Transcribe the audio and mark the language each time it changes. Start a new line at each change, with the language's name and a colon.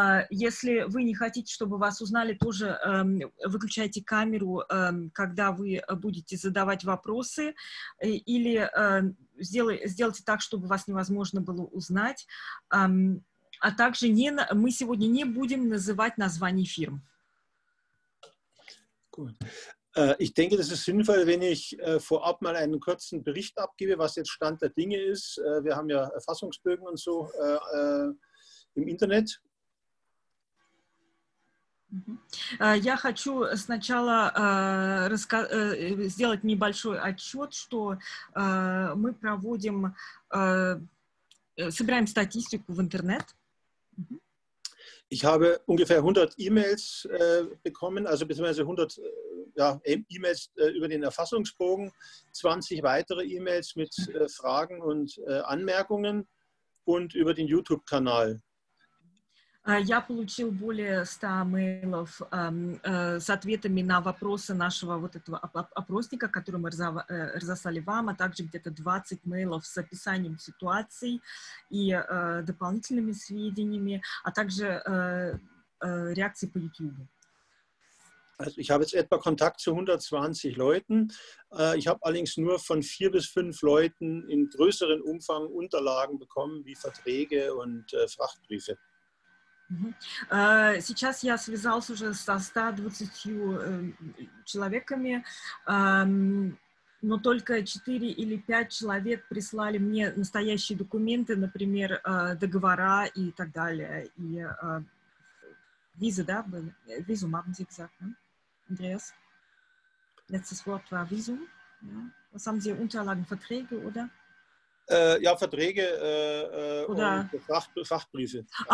Russian: Если вы не хотите, чтобы вас узнали, тоже выключайте камеру, когда вы будете задавать вопросы, или сделайте так, чтобы вас невозможно было узнать. А также мы сегодня не будем называть названий фирм.
German: Ich denke, das ist sinnvoll, wenn ich vorab mal einen kurzen Bericht abgebe, was jetzt Stand der Dinge ist. Wir haben ja Erfassungsbögen und so im Internet.
Russian: Я хочу сначала сделать небольшой отчет, что мы проводим, собираем статистику в интернет.
German: Ich habe ungefähr 100 E-Mails bekommen, also beziehungsweise 100 E-Mails über den Erfassungsbogen, 20 weitere E-Mails mit Fragen und Anmerkungen und über den YouTube-Kanal.
Russian: Я получил более 100 мейлов с ответами на вопросы нашего вот этого опросника, который мы разослали вам, а также где-то 20 мейлов с описанием ситуации и дополнительными сведениями, а также реакции по YouTube.
German: Also ich habe jetzt etwa Kontakt zu 120 Leuten. Ich habe allerdings nur von 4 bis 5 Leuten in größeren Umfang Unterlagen bekommen, wie Verträge und Frachtbriefe.
Russian: Сейчас я связался уже со 120 человеками, но только 4 или 5 человек прислали мне настоящие документы, например, договора и так далее. И визы, да, были?
German: Визум, haben Sie gesagt, Andreas? Letztes Wort war Visum. Was haben Sie, Unterlagen, Verträge, oder? Ja, Verträge oder Frachtbriefe.